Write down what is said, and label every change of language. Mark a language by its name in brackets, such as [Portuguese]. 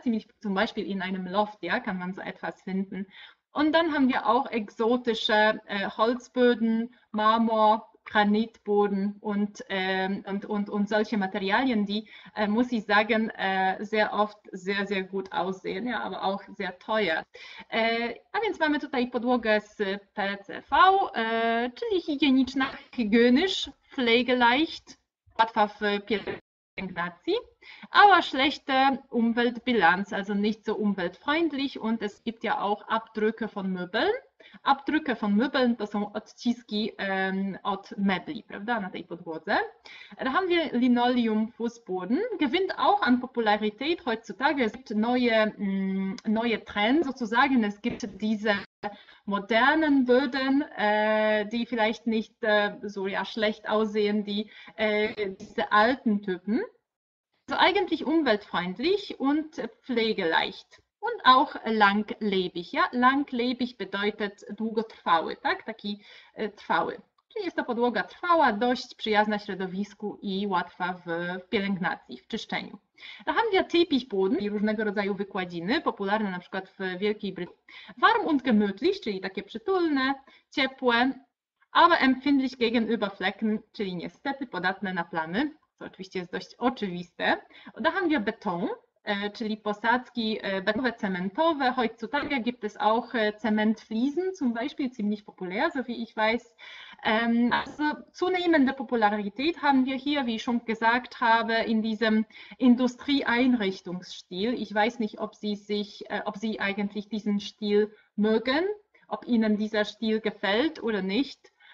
[German] Ziemlich zum Beispiel in einem Loft, ja, kann man so etwas finden. Und dann haben wir auch exotische Holzböden, Marmor, Granitboden und solche Materialien, die, muss ich sagen, sehr oft sehr, sehr gut aussehen, ja, aber auch sehr teuer. [Polish] A więc mamy tutaj podłogę z PCV, czyli higieniczna, [German] hygienisch, pflegeleicht, [Polish] łatwa w [German] Nazi, aber schlechte Umweltbilanz, also nicht so umweltfreundlich. Und es gibt ja auch Abdrücke von Möbeln. Abdrücke von Möbeln, [Polish] to są odciski od mebli, prawda, na tej podłodze. [German] Da haben wir Linoleum, Fußboden. Gewinnt auch an Popularität heutzutage. Es gibt neue Trends sozusagen. Es gibt diese modernen Böden, die vielleicht nicht so ja, schlecht aussehen, die diese alten Typen. Also eigentlich umweltfreundlich und pflegeleicht. Und auch langlebig, ja? Langlebig bedeutet [Polish] długotrwały, tak? Taki trwały. Czyli jest to podłoga trwała, dość przyjazna środowisku i łatwa w pielęgnacji, w czyszczeniu. [German] Da haben wir Teppichboden [Polish] i różnego rodzaju wykładziny, popularne na przykład w Wielkiej Brytanii. [German] Warm und gemütlich, [Polish] czyli takie przytulne, ciepłe, [German] aber empfindlich gegenüber Flecken, [Polish] czyli niestety podatne na plamy, co oczywiście jest dość oczywiste. [German] Da haben wir Beton. [Polish] Czyli posadzki betonowe, cementowe. [German] Heutzutage gibt es auch Zementfliesen zum Beispiel, ziemlich populär, so wie ich weiß. Also zunehmende Popularität haben wir hier, wie ich schon gesagt habe, in diesem Industrieeinrichtungsstil. Ich weiß nicht, ob Sie eigentlich diesen Stil mögen, ob Ihnen dieser Stil gefällt oder nicht.